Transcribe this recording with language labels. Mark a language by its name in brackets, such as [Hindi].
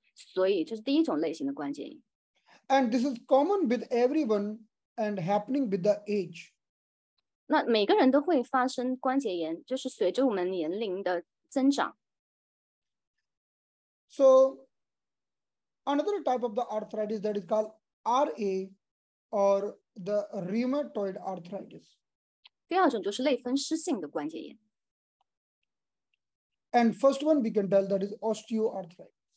[Chinese] 那第一种关节炎就是因为这个年龄它这个就退化了，因为年龄它的关节退化了，所以就是第一种类型的关节炎。 [English] And this is common with everyone and happening with the age. [Chinese] 那每个人都会发生关节炎，就是随着我们年龄的增长。 [English] So another type of the arthritis that is called RA or the rheumatoid arthritis. [Chinese] 第二种就是类风湿性的关节炎。 [English] And first one we can tell that is osteoarthritis.